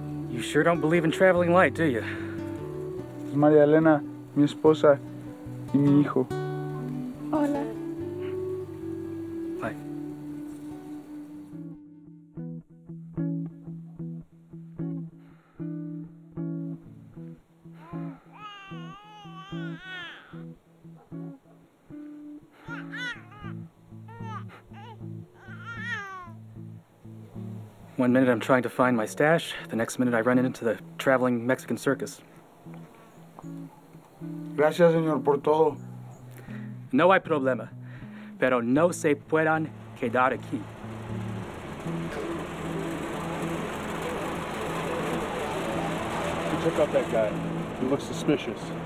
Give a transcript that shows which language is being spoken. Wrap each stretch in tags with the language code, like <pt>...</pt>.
<en>You sure don't believe in traveling light, do you?</en> <es>Es María Elena, mi esposa y mi hijo. Hola.</es> <en>Hi. One minute I'm trying to find my stash, the next minute I run into the traveling Mexican circus.</en> <es>Gracias, señor, por todo. No hay problema, pero no se puedan quedar aquí.</es> <en>Check out that guy. He looks suspicious.</en>